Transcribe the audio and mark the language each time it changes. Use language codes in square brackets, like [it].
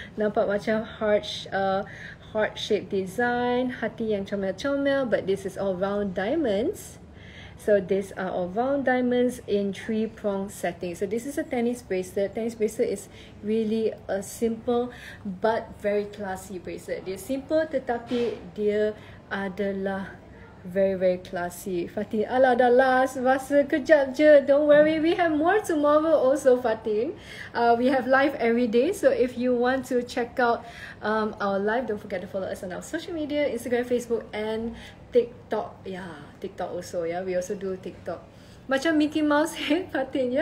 [ms] Nampak macam [en] heart-shaped design, [ms] hati yang comel-comel, [en] but this is all round diamonds. So these are all round diamonds in three-prong setting. So this is a tennis bracelet. Tennis bracelet is really a simple but very classy bracelet. [ms] Dia simple tetapi dia adalah [en] very classy. [ms] Fatin, ala dah last. Rasa kejap je. [en] Don't worry, we have more tomorrow also, Fatin. We have live every day. So if you want to check out our live, don't forget to follow us on our social media, Instagram, Facebook and TikTok. Yeah, TikTok also, yeah. We also do TikTok. Macam Mickey Mouse head, Fatin, yeah.